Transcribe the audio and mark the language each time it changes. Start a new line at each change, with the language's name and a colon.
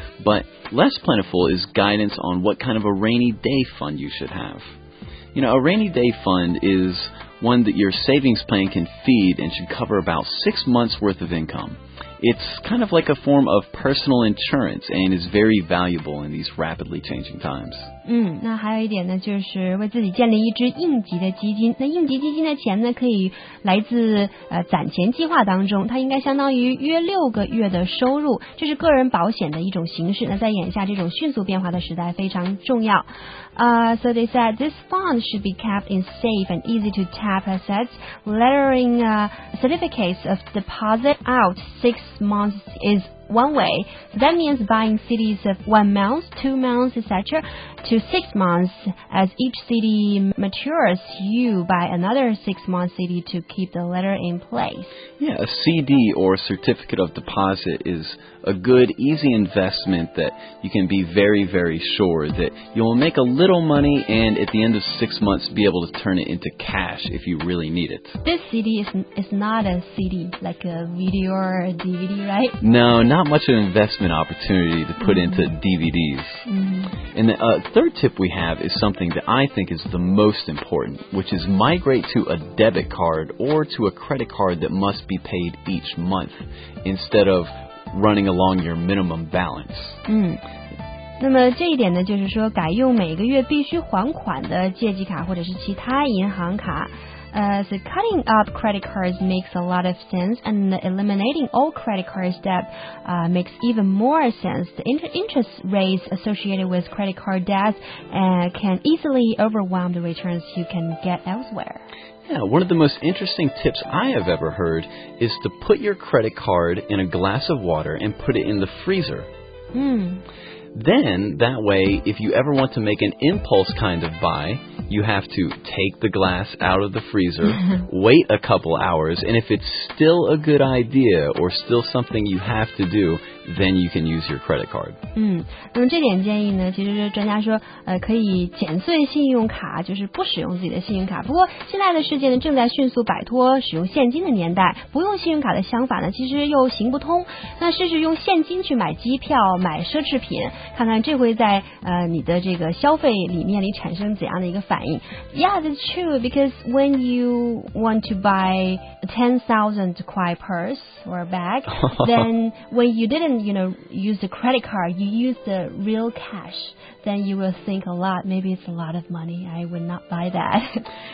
English: But less plentiful is guidance on what kind of a rainy day fund you should have. You know, a rainy day fund is one that your savings plan can feed and should cover about 6 months' worth of income. It's kind of like a form of personal insurance and is very valuable in these rapidly changing times.
Chinese: 那还有一点呢，就是为自己建立一支应急的基金。那应急基金的钱呢，可以来自攒钱计划当中，它应该相当于约六个月的收入，这是个人保险的一种形式。那在眼下这种迅速变化的时代非常重要。
English: So they said this fund should be kept in safe and easy to tap assets, lettering certificates of deposit out 6 months is one way. So that means buying CDs of 1 month, 2 months, etc. to 6 months. As each CD matures, you buy another 6 month CD to keep the letter in place. Yeah, a CD or a certificate of deposit is a good, easy investment that you can be very, very sure that you'll make a little money and at the end of 6 months be able to turn it into cash if you really need it. This CD is not a CD, like a video or a DVD, right? No, not much of an investment opportunity to put into DVDs. Mm-hmm. And the third tip we have is something that I think is the most important, which is migrate to a debit card or to a credit card that must be paid each month instead of running along your minimum balance.
Chinese: 那么这一点呢，就是说改用每个月必须还款的借记卡或者是其他银行卡。
English: So cutting up credit cards makes a lot of sense, and eliminating all credit cards debt makes even more sense. The interest rates associated with credit card debts can easily overwhelm the returns you can get elsewhere. Yeah, one of the most interesting tips I have ever heard is to put your credit card in a glass of water and put it in the freezer. Hmm. Then, that way, if you ever want to make an impulse kind of buy, you have to take the glass out of the freezer, wait a couple hours, and if it's still a good idea or still something you have to do, then you can use your credit card.
Chinese: 那么这点建议呢，其实专家说，可以减碎信用卡，就是不使用自己的信用卡。不过现在的世界呢，正在迅速摆脱使用现金的年代，不用信用卡的想法呢，其实又行不通。那试试用现金去买机票、买奢侈品。看看这会在你的这个消费里面里产生怎样的一个反应。
English: Yeah, that's true, because when you want to buy a 10,000 kuai purse or a bag, then when you didn't, you know, use the credit card, you use the real cash, then you will think a lot, maybe it's a lot of money, I would not buy that.